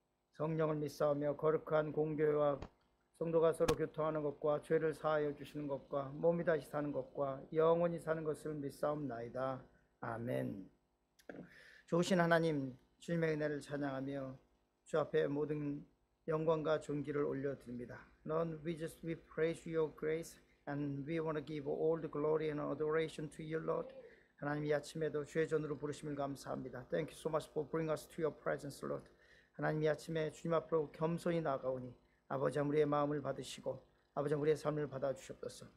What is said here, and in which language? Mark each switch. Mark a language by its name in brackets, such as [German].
[Korean] 성령을 믿사오며 거룩한 공교회와 성도가 서로 교통하는 것과 죄를 사하여 주시는 것과 몸이 다시 사는 것과 영원히 사는 것을 믿사옵나이다. 아멘. 좋으신 하나님, 주님의 은혜를 찬양하며 주 앞에 모든 영광과 존귀를 올려드립니다. [English] Lord, we praise your grace and we want to give all the glory and adoration to you, Lord. [Korean] 하나님, 이 아침에도 주의 전으로 부르심을 감사합니다. [English] Thank you so much for bringing us to your presence, Lord. [Korean] 하나님, 이 아침에 주님 앞으로 겸손히 나아가오니 아버지 우리의 마음을 받으시고 아버지 우리의 삶을 받아주셨소서.